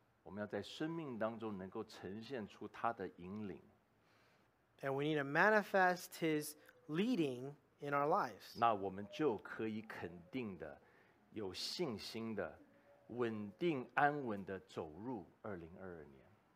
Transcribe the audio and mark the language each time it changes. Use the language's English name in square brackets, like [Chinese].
[Chinese] 我们要在生命当中能够呈现出他的引领。 [English] And we need to manifest his leading in our lives. [Chinese] 那我们就可以肯定的、有信心的、稳定安稳的走入2022年。